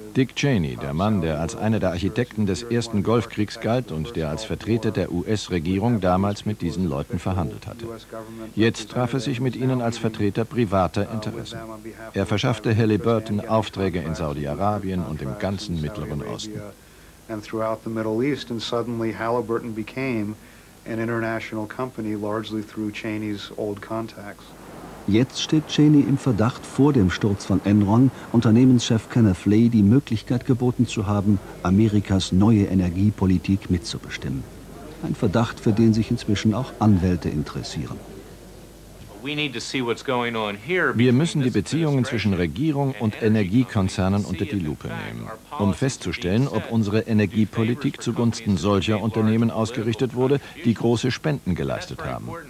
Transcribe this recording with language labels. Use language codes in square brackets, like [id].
[de] Dick Cheney, der Mann, der als einer der Architekten des ersten Golfkriegs galt und der als Vertreter der US-Regierung damals mit diesen Leuten verhandelt hatte. Jetzt traf er sich mit ihnen als Vertreter privater Interessen. Er verschaffte Halliburton Aufträge in Saudi-Arabien und im ganzen Mittleren Osten. [en] And throughout the Middle East, and suddenly Halliburton became an international company, largely through Cheney's old contacts. [de] Jetzt steht Cheney im Verdacht, vor dem Sturz von Enron Unternehmenschef Kenneth Lay die Möglichkeit geboten zu haben, Amerikas neue Energiepolitik mitzubestimmen. Ein Verdacht, für den sich inzwischen auch Anwälte interessieren. Wir müssen die Beziehungen zwischen Regierung und Energiekonzernen unter die Lupe nehmen, um festzustellen, ob unsere Energiepolitik zugunsten solcher Unternehmen ausgerichtet wurde, die große Spenden geleistet haben.